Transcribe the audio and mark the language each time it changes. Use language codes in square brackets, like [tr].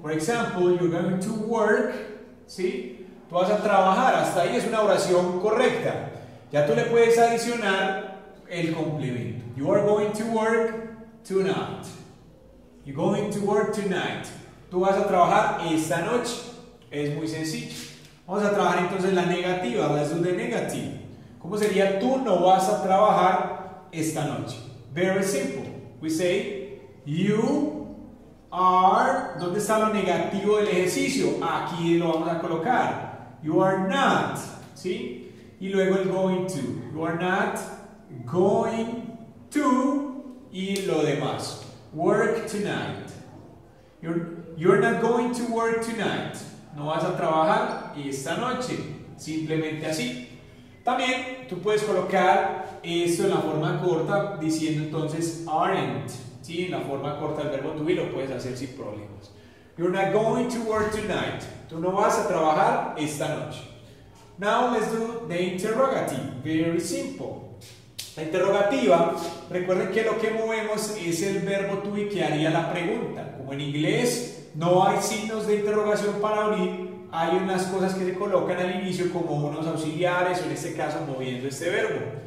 [en] For example, you're going to work. [es] ¿Sí? Tú vas a trabajar, hasta ahí es una oración correcta. Ya tú le puedes adicionar el complemento. [en] You are going to work tonight. You're going to work tonight. [es] Tú vas a trabajar esta noche. Es muy sencillo. Vamos a trabajar entonces la negativa, la de negativa. ¿Cómo sería? Tú no vas a trabajar esta noche. [en] Very simple. We say, you are... [es] ¿Dónde está lo negativo del ejercicio? Aquí lo vamos a colocar. [en] You are not. [es] ¿Sí? Y luego el [en] going to. You are not going to. [es] Y lo demás. [en] Work tonight. You're not going to work tonight. [es] No vas a trabajar esta noche. Simplemente así. También tú puedes colocar eso en la forma corta diciendo entonces aren't. ¿Sí? En la forma corta del verbo to be lo puedes hacer sin problemas. [en] You're not going to work tonight. [es] Tú no vas a trabajar esta noche. [en] Now let's do the interrogative. Very simple. [es] La interrogativa, recuerden que lo que movemos es el verbo to be que haría la pregunta. Como en inglés, no hay signos de interrogación para abrir, hay unas cosas que se colocan al inicio como unos auxiliares, o en este caso moviendo este verbo.